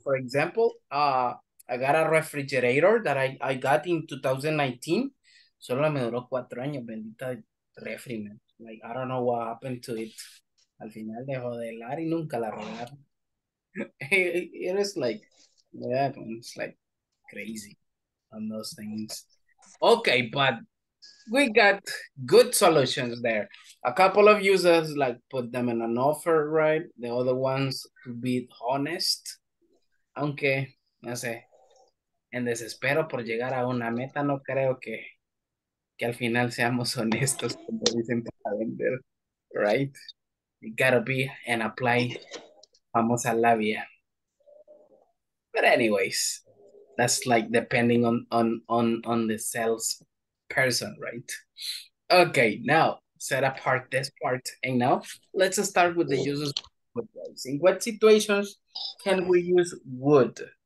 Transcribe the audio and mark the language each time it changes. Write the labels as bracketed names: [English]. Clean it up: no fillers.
[English] For example, I got a refrigerator that I got in 2019. [Spanish] Solo me duró 4 años, bendita refri, [English] man. Like, I don't know what happened to it. [Spanish] Al final dejó de helar y nunca la robaron. [English] It is like, yeah, it's like crazy on those things. Okay, but we got good solutions there. A couple of users, like, put them in an offer, right? The other ones could be honest. [Spanish] Aunque, no sé, en desespero por llegar a una meta, no creo que al final seamos honestos, como dicen, para vender, right? [English] You gotta be and apply [Spanish] famosa labia. [English] But anyways, that's like depending on the sales person, right? Okay, now set apart this part, and now let's start with the users. In what situations can we use would?